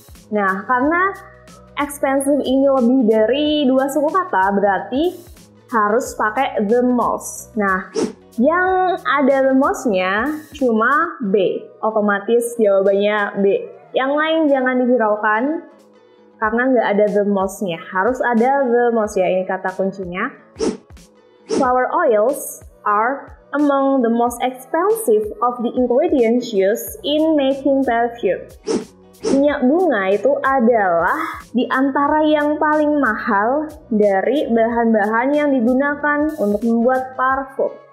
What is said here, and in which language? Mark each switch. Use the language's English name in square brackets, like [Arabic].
[Indonesian] Nah, karena expensive ini lebih dari dua suku kata, berarti harus pakai the most. Nah, yang ada the most-nya cuma B. Otomatis jawabannya B. Yang lain jangan dihiraukan karena nggak ada the most-nya. Harus ada the most ya, ini kata kuncinya. [English] Flower oils are among the most expensive of the ingredients used in making perfume. [Indonesian] Minyak bunga itu adalah di antara yang paling mahal dari bahan-bahan yang digunakan untuk membuat parfum.